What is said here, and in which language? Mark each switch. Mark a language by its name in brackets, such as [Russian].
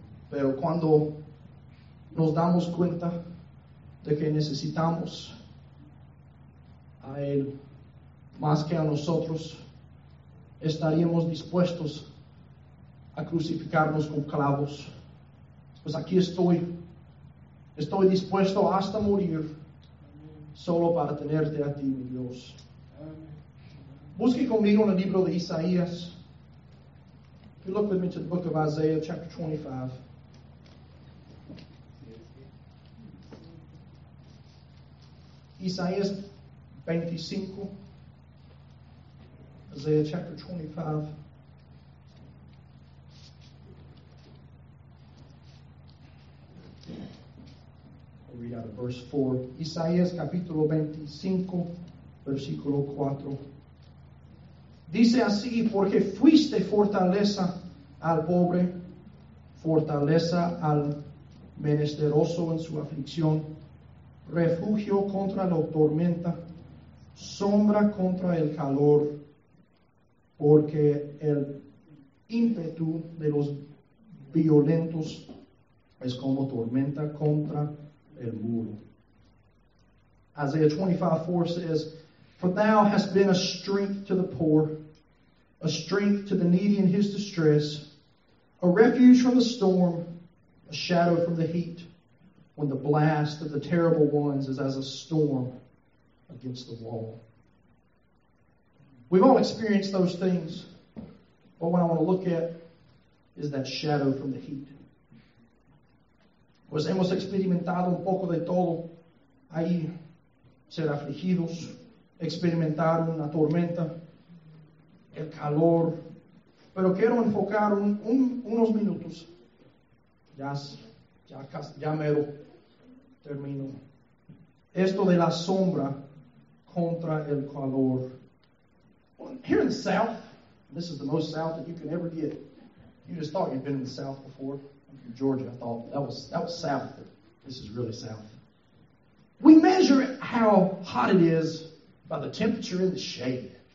[Spanish] Pero cuando nos damos cuenta de que necesitamos a Él más que a nosotros, estaríamos dispuestos a crucificarnos con clavos. Pues aquí estoy. Estoy dispuesto hasta morir solo para tenerte a ti, mi Dios. Busque conmigo en el libro de Isaías. [English] If you look with me to the book of Isaiah, chapter 25. [Spanish] Isaías 25. [English] Isaiah chapter 25. We read out of verse 4. [Spanish] Isaías capítulo 25, versículo 4. Dice así, porque fuiste fortaleza al pobre, fortaleza al menesteroso en su aflicción, refugio contra la tormenta, sombra contra el calor, porque el ímpetu de los violentos es como tormenta contra el muro. [English] Isaiah 25:4 says, for thou hast been a strength to the poor, a strength to the needy in his distress, a refuge from the storm, a shadow from the heat, when the blast of the terrible ones is as a storm against the wall. We've all experienced those things, but what I want to look at is that shadow from the heat. [Spanish] Pues hemos experimentado un poco de todo ahí, ser afligidos, experimentar una tormenta, el calor, pero quiero enfocar unos minutos, ya mero termino, esto de la sombra contra el calor. [English] Here in the south, this is the most south that you can ever get. You just thought you'd been in the south before. Georgia, I thought that was south, but this is really south. We measure how hot it is by the temperature in the shade.